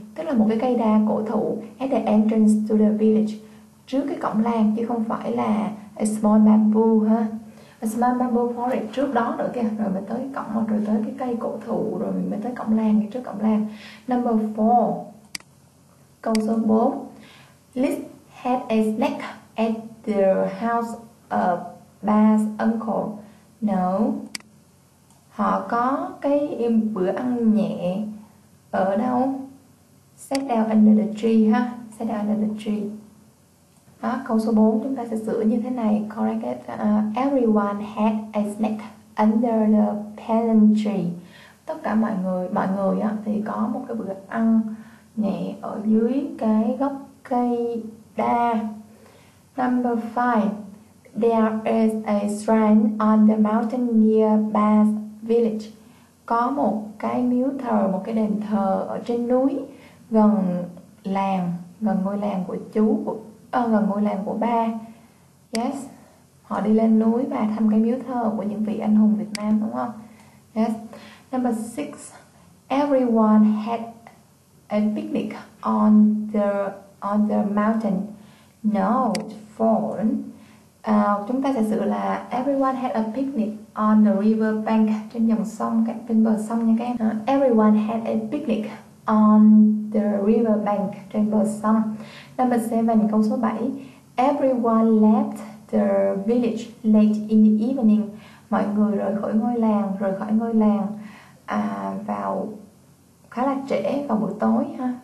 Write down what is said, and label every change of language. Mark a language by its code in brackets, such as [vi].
[vi] Tức là một cái cây đa cổ thụ [en] at the entrance to the village, [vi] trước cái cổng làng, chứ không phải là [en] a small bamboo [vi] ha. [en] A small bamboo forest [vi] trước đó nữa kìa. Rồi mới tới cổng, rồi tới cái cây cổ thụ, rồi mình mới tới cổng làng, trước cổng làng. [en] Number 4. [vi] Câu số 4. [en] Liz had a snack at the house of Ba's uncle. [vi] No. Họ có cái bữa ăn nhẹ ở đâu? [en] Sat down under the tree ha. Sat down under the tree. [vi] Đó, câu số 4 chúng ta sẽ sửa như thế này. [en] Correct it. Everyone had a snack under the pecan tree. [vi] Tất cả mọi người á, thì có một cái bữa ăn nhẹ ở dưới cái gốc cây đa. [en] Number 5. There is a shrine on the mountain near Bath Village. [vi] Có một cái miếu thờ, một cái đền thờ ở trên núi gần làng, gần ngôi làng của chú, gần ngôi làng của ba. Yes. Họ đi lên núi và thăm cái miếu thờ của những vị anh hùng Việt Nam, đúng không? [en] Yes. Number 6. Everyone had a picnic on the mountain. No, false. [vi] Chúng ta sẽ sửa là [en] everyone had a picnic on the river bank, [vi] trên dòng sông, bên bờ sông nha các em. [en] Everyone had a picnic on the river bank, [vi] trên bờ sông. [en] Number 7, [vi] câu số 7. [en] Everyone left the village late in the evening. [vi] Mọi người rời khỏi ngôi làng vào khá là trễ, vào buổi tối ha.